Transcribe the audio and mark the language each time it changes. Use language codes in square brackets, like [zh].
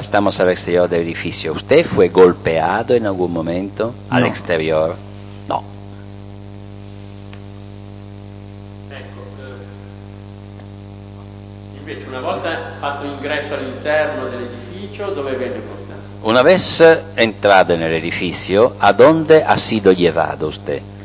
[es] Stamos all'exterior dell'edificio, usted fue golpeado in algún momento no. All'exterior? No. [it] Ecco, invece una volta fatto ingresso all'interno dell'edificio, dove venne colpito? [es] Una vez entrado en el edificio, ¿a dónde ha sido llevado usted?